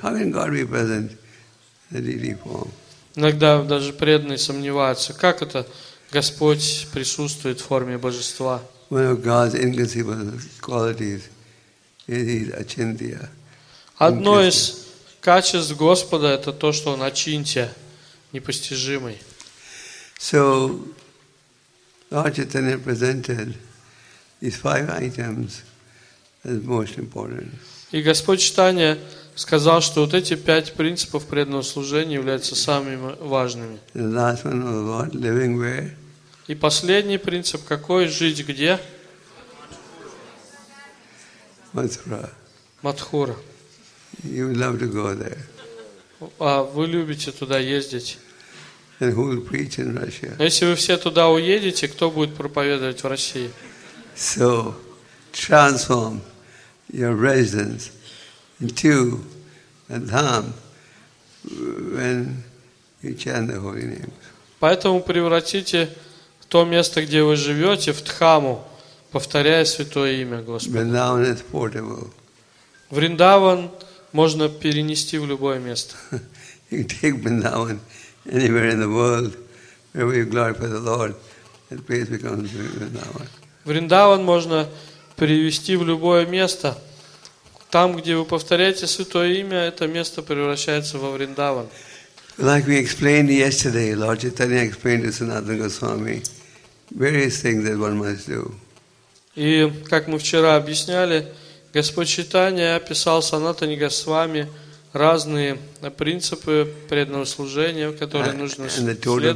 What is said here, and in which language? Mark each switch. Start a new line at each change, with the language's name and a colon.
English: How can God be present in the deity form?
Russian: Иногда даже преданные сомневаются, как это Господь присутствует в форме Божества.
English: One of God's inconceivable qualities is His Achintya.
Russian: Одно из качеств Господа – это то, что Он Ачинтия. Непостижимый.
English: So, Lord Chaitanya presented these five items as most important.
Russian: И Господь Читания сказал, что вот эти пять принципов преданного служения являются самыми важными.
English: The last one was what? Living where?
Russian: И последний принцип какой? Жить где? Матхура. Матхура.
English: You would love to go there.
Russian: А вы любите туда ездить?
English: And who will preach in Russia?
Russian: Если вы все туда уедете, кто будет проповедовать в России?
English: So, transform your residence into a dham when you chant the holy name.
Russian: Поэтому превратите то место, где вы живете, в дхаму, повторяя святое имя Господа.
English: Vrindavan is portable.
Russian: Вриндаван можно перенести в любое место.
English: You can take Vrindavan. Anywhere in the world, wherever you glorify the Lord, that place becomes Vrindavan.
Russian: Vrindavan можно перевести в любое место, Там, где вы повторяете Святое Имя, это место превращается во Вриндаван.
English: Like we explained yesterday, Lord Chaitanya explained to Sanatana Goswami various things that one must do.
Russian: И как мы вчера объясняли, Господь Чайтанья описал Санатане Госвами разные принципы преданного служения, которые нужно следовать.